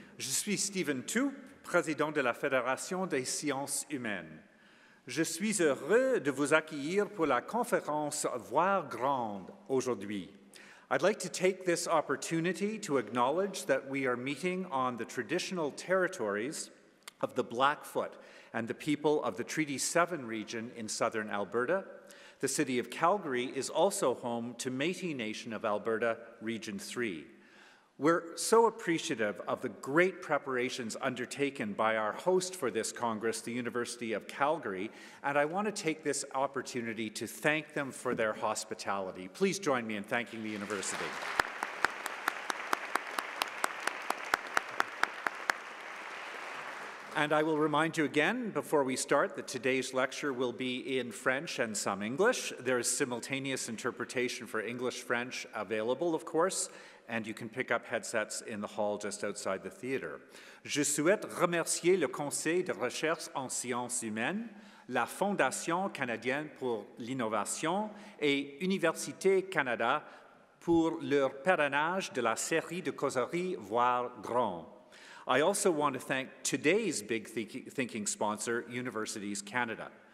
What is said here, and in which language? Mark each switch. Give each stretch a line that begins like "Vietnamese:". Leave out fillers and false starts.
French: Je suis Stephen Tu, président de la Fédération des sciences humaines. Je suis heureux de vous accueillir pour la conférence Voir grande aujourd'hui.
English: I'd like to take this opportunity to acknowledge that we are meeting on the traditional territories of the Blackfoot and the people of the Treaty 7 region in southern Alberta. The city of Calgary is also home to Métis Nation of Alberta, Region 3. We're so appreciative of the great preparations undertaken by our host for this Congress, the University of Calgary, and I want to take this opportunity to thank them for their hospitality. Please join me in thanking the university. And I will remind you again before we start that today's lecture will be in French and some English. There is simultaneous interpretation for English-French available, of course, and you can pick up headsets in the hall just outside the theater.
French: Je souhaite remercier le Conseil de recherche en sciences humaines, la Fondation canadienne pour l'innovation et Université Canada pour leur parrainage de la série de causeries Voir grand.
English: I also want to thank today's big thinking sponsor, Universities Canada.